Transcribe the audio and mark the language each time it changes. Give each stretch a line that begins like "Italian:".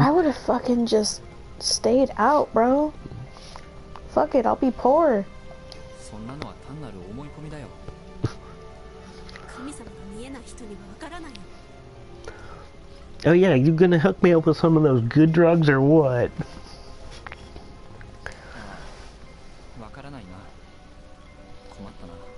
English: I would have fucking just stayed out, bro. Fuck it, I'll be poor.
Japanese: そんなのは単なる思い込みだよ。神様が見えない人にはわからない。
English: Oh yeah, you gonna hook me up with some of those good drugs or what?
Japanese: わからないな。困ったな。